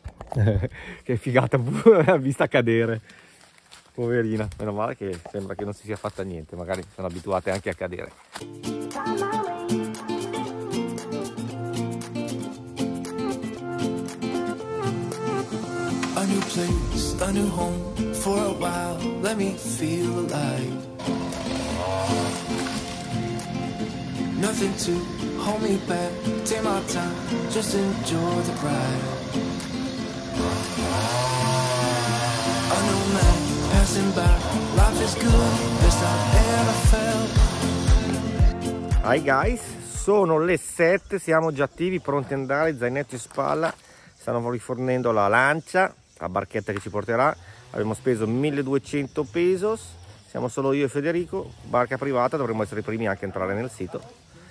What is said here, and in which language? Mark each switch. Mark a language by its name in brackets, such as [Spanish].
[Italian] Che figata, l'ha vista cadere. Poverina, meno male che sembra che non si sia fatta niente, magari sono abituate anche a cadere. [English] A new place, a new home, for a while, let me feel alive. Nothing to hold me back, take my time, just enjoy the ride. A new man passing by, life is good, best I've ever felt. Hi guys, [Italian] sono le 7, siamo già attivi, pronti ad andare, zainetto in spalla, stanno rifornendo la lancia, la barchetta che ci porterà. Abbiamo speso 1200 pesos, siamo solo io e Federico, barca privata, dovremmo essere i primi anche a entrare nel sito.